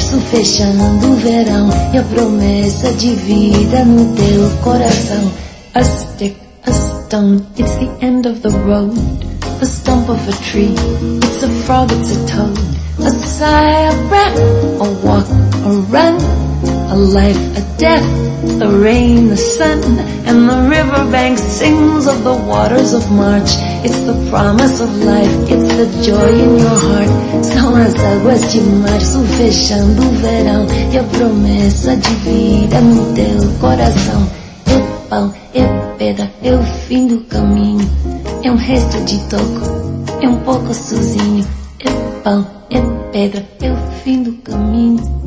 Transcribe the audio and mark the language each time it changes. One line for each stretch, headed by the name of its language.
Portuguese: Fechando o verão e a promessa de vida no teu coração.
English: A stick, a stone, it's the end of the road. A stump of a tree, it's a frog, it's a toad. A sigh, a breath, a walk, a run. A life, a death, the rain, the sun. And the riverbank sings of the waters of March. It's the promise of life, it's the joy in your heart.
Portuguese: São as águas de março fechando o verão e a promessa de vida no teu coração. É pão, é pedra, é o fim do caminho. É um resto de toco, é um pouco sozinho. É pão, é pedra, é o fim do caminho.